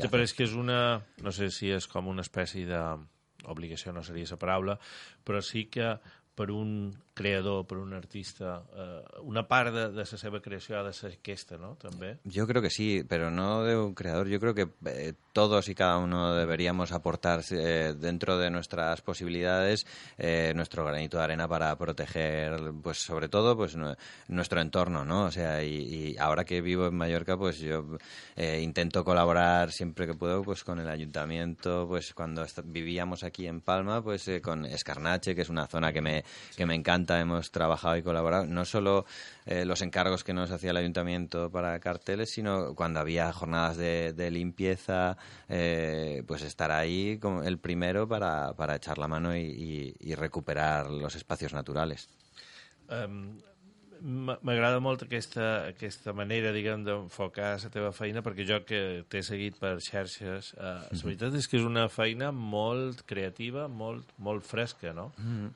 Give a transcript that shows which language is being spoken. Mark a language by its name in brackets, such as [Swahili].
[Catalan] te pareix que és una, no sé si és com una espècie d'obligació, no seria la paraula, però sí que... per un creador, per un artista, una part de la seva creació ha de ser aquesta, no? També. Jo crec que sí, però no de un creador. Jo crec que tots i cada un [Spanish] deberíamos aportar dentro de nuestras posibilidades nuestro granito de arena para proteger, pues sobre todo, pues nuestro entorno, ¿no? O sea, y ahora que vivo en Mallorca, pues yo intento colaborar siempre que puedo, pues con el ayuntamiento, pues cuando vivíamos aquí en Palma, pues con Escarnache, que es una zona que me encanta, hemos trabajado y colaborado, no solo los encargos que nos hacía el ayuntamiento para carteles, sino cuando había jornadas de limpieza, pues estar ahí el primero para echar la mano y recuperar los espacios naturales. [Catalan] M'agrada molt aquesta manera, diguem, d'enfocar la teva feina, perquè jo que t'he seguit per xarxes, la veritat és que és una feina molt creativa, molt, molt fresca, no? Mm-hmm.